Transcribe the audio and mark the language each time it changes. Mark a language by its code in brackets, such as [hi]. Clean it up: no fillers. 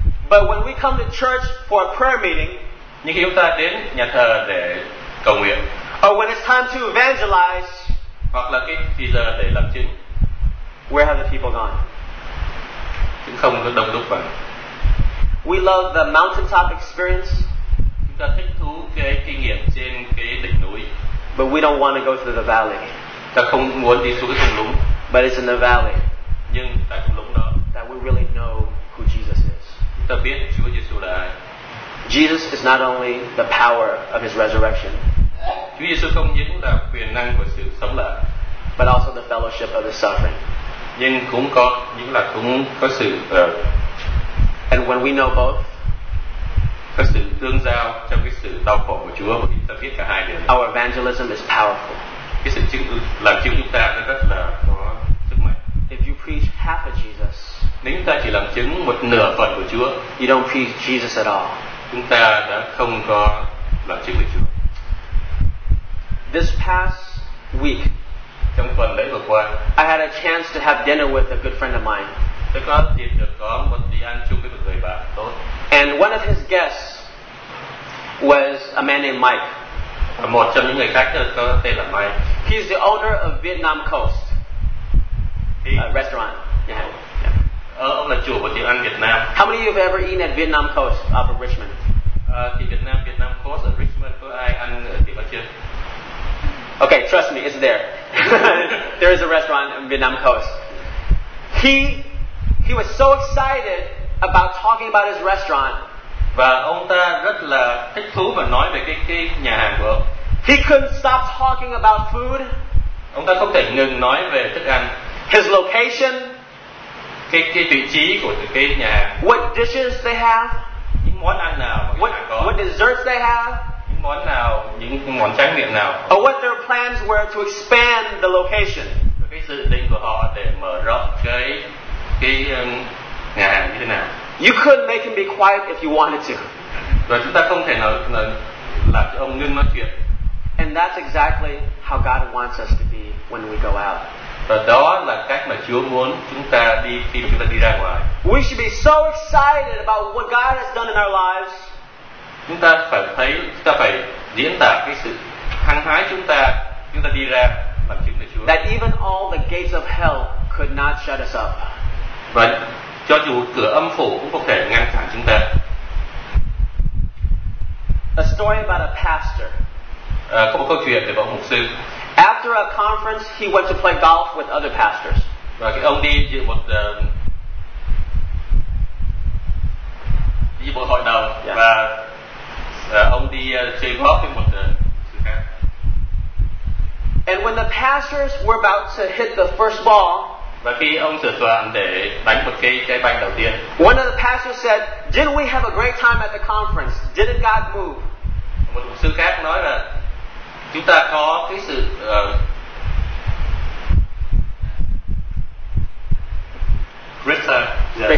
[en] But when we come to church for a prayer meeting, [vi] nhưng khi chúng ta đến nhà thờ để cầu nguyện, [en] or when it's time to evangelize, [vi] hoặc là khi giờ để làm chứng, [en] where have the people gone? [vi] Chúng không có đông đúc vậy. [en] We love the mountaintop experience. [vi] Chúng ta thích thú cái kinh nghiệm trên cái đỉnh núi. [en] But we don't want to go to the valley. [vi] Ta không muốn đi xuống cái thung lũng. [en] But it's in the valley. [vi] Nhưng tại thung lũng đó. [en] That we really know who Jesus is. [vi] Chúng ta biết Chúa Giêsu là ai. [en] Jesus is not only the power of his resurrection. [vi] Chúa Giêsu không những là quyền năng của sự sống lại, [en] but also the fellowship of his suffering. [vi] Nhưng cũng có, nhưng là cũng có sự [en] and when we know both, [vi] có sự tương giao trong cái sự đau khổ của Chúa, và chúng ta biết cả hai điều. [en] Our evangelism is powerful. [vi] Cái sự chứng làm chứng chúng ta nó rất là có sức mạnh. [en] If you preach half of Jesus, [vi] nếu chúng ta chỉ làm chứng một nửa phần của Chúa, [en] you don't preach Jesus at all, [vi] chúng ta đã không có làm chứng với Chúa. [en] This past week, [vi] trong phần lễ vừa qua, [en] I had a chance to have dinner with a good friend of mine. [vi] Tôi có dịp được có một bữa ăn chung với một người bạn tốt. [en] And one of his guests was a man named Mike. [vi] Một trong những người khách có tên là Mike. [en] He's the owner of Vietnam Coast. A restaurant. Yeah. [vi] Ông là chủ một tiệm ăn Việt Nam. [en] How many of you have ever eaten at Vietnam Coast off of Richmond? [vi] Thì Vietnam Coast ở Richmond có ai ăn thì bao chưa? [en] Okay, trust me, it's there. There is a restaurant in Vietnam Coast. He was so excited about talking about his restaurant. [vi] Và ông ta rất là thích thú mà nói về cái nhà hàng của ông. [en] He couldn't stop talking about food. [vi] Ông ta không thể ngừng nói về thức ăn. [en] His location. [vi] Cái vị trí của cái nhà hàng. [en] What dishes they have. [vi] Những món ăn nào mà cái hàng có. [en] What desserts they have. [vi] Món nào, những món tráng miệng nào. [en] Or what their plans were to expand the location. [vi] Cái dự định của họ để mở rộng cái nhà hàng như thế nào. [en] You could make him be quiet if you wanted to. [vi] Rồi chúng ta không thể nào làm cho ông ngưng nói chuyện. [en] And that's exactly how God wants us to be when we go out. [vi] Và đó là cách mà Chúa muốn chúng ta đi khi chúng ta đi ra ngoài. [en] We should be so excited about what God has done in our lives. [vi] Chúng ta phải thấy, chúng ta phải diễn tả cái sự hăng hái chúng ta đi ra làm chứng với Chúa. [en] That even all the gates of hell could not shut us up. [vi] Và cho dù cửa âm phủ cũng không thể ngăn cản chúng ta. [en] A story about a pastor. [vi] có một câu chuyện về một mục sư. [en] After a conference, he went to play golf with other pastors. [vi] Và cái ông đi dự một hội đồng, yeah. Và ông đi chơi golf với một sư khác. [en] And when the pastors were about to hit the first ball, [vi] và khi ông sửa soạn để đánh một cái trái banh đầu tiên, [en] one of the pastors said, "Didn't we have a great time at the conference? Didn't God move?" [vi] Một sư khác nói là chúng ta có cái sự [en] great time.